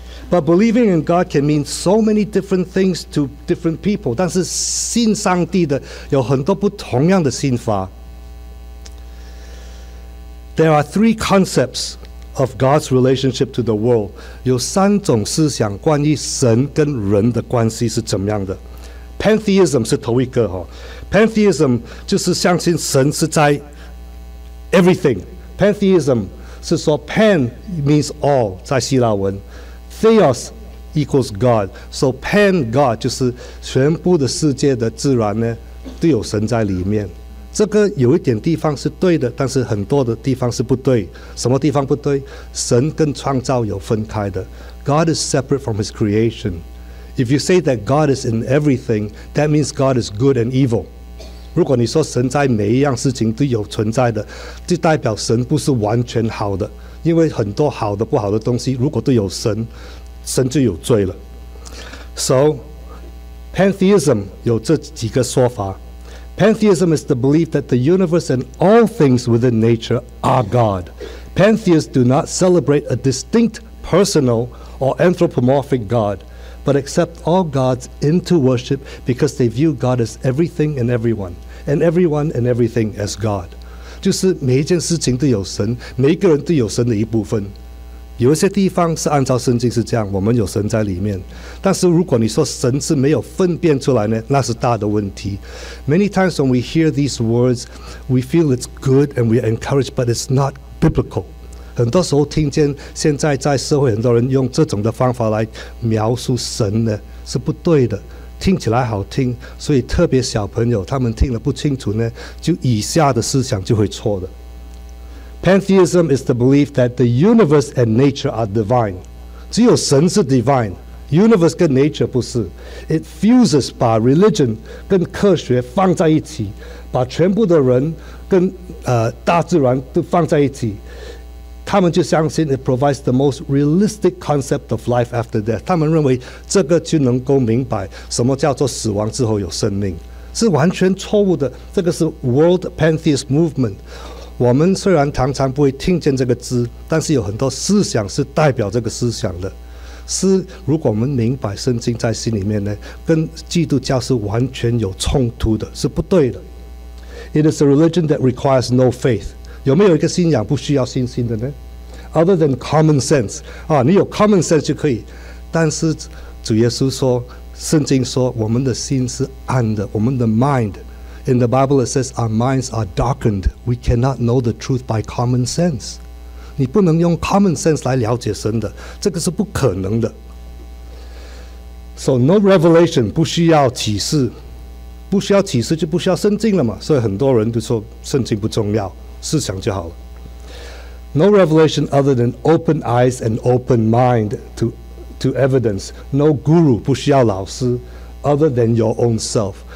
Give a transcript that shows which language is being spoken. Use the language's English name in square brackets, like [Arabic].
[English] But believing in God can mean so many different things to different people. [Chinese] 但是信上帝的有很多不同样的信法。 [English] There are three concepts. Of God's relationship to the world, [Chinese] 有三种思想关于神跟人的关系是怎么样的。Pantheism 是头一个哈。 Pantheism 就是相信神是在 everything. Pantheism 是说 [English] pan means all [Chinese] 在希腊文 ， [English] theos equals God. So pan God [Chinese] 就是全部的世界的自然呢都有神在里面。这个有一点地方是对的，但是很多的地方是不对。什么地方不对？神跟创造有分开的。 [English] God is separate from His creation. If you say that God is in everything, that means God is good and evil. [Chinese] 如果你说神在每一样事情都有存在的，就代表神不是完全好的，因为很多好的、不好的东西，如果都有神，神就有罪了。 So, pantheism 有这几个说法。 [English] Pantheism is the belief that the universe and all things within nature are God. Pantheists do not celebrate a distinct personal or anthropomorphic God, but accept all gods into worship because they view God as everything and everyone and everything as God. [Chinese] 就是每一件事情都有神，每一个人都有神的一部分。有一些地方是按照圣经是这样，我们有神在里面。但是如果你说神是没有分辨出来呢，那是大的问题。 Many times when we hear these words, we feel it's good and we are encouraged, but it's not biblical. 很多时候听见现在在社会很多人用这种的方法来描述神呢，是不对的。听起来好听，所以特别小朋友他们听了不清楚呢，就以下的思想就会错的。 [English] Pantheism is the belief that the universe and nature are divine. [Chinese] 只有神是 divine. Universe 跟 nature 不是。 [English] It fuses [Chinese] 把 religion 跟科学放在一起，把全部的人跟大自然都放在一起。他们就相信 [English] it provides the most realistic concept of life after death. [Chinese] 他们认为这个就能够明白什么叫做死亡之后有生命，是完全错误的。这个是 World Pantheist Movement。我们虽然常常不会听见这个字，但是有很多思想是代表这个思想的。是如果我们明白圣经在心里面呢，跟基督教是完全有冲突的，是不对的。 [English] It is a religion that requires no faith. [Chinese] 有没有一个信仰不需要信心的呢？ [English] Other than common sense. [Chinese] 啊，你有 common sense 就可以。但是主耶稣说，圣经说我们的心是暗的，我们的 mind。 [English] In the Bible, it says our minds are darkened. We cannot know the truth by common sense. [Chinese] 你不能用 common sense 来了解神的，这个是不可能的。 [English] So no revelation, [Chinese] 不需要启示，不需要启示就不需要圣经了嘛。所以很多人都说圣经不重要，思想就好了。 [English] No revelation other than open eyes and open mind to evidence. No guru, [Chinese] 不需要老师 [English] other than your own self.